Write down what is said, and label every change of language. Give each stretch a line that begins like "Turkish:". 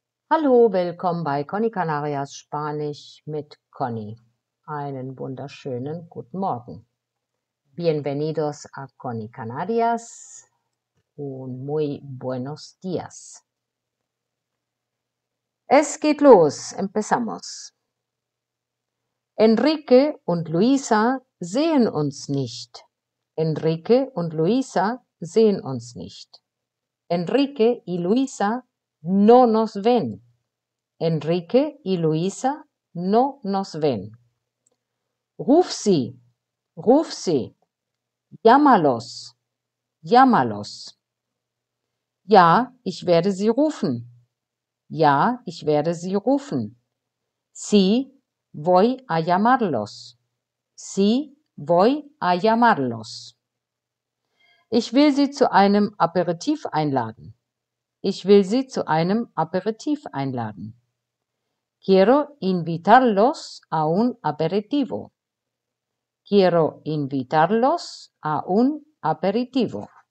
German: Hallo, willkommen bei Conny Canarias Spanisch mit Conny. Einen wunderschönen guten Morgen.
Spanish: Bienvenidos a Conny Canarias und muy buenos días.
German: Es geht los,
Spanish: empezamos.
German: Enrique und Luisa sehen uns nicht. Enrique und Luisa sehen uns nicht.
Spanish: Enrique y Luisa no nos ven. Enrique y Luisa no nos ven.
German: Ruf sie,
Spanish: llámalos, llámalos.
German: Ja, ich werde sie rufen. Ja, ich werde sie rufen.
Spanish: Sí, voy a llamarlos. Sí, voy a llamarlos.
German: Ich will sie zu einem Aperitif einladen. Ich will sie zu einem Aperitif einladen.
Spanish: Quiero invitarlos a un aperitivo. Quiero invitarlos a un aperitivo.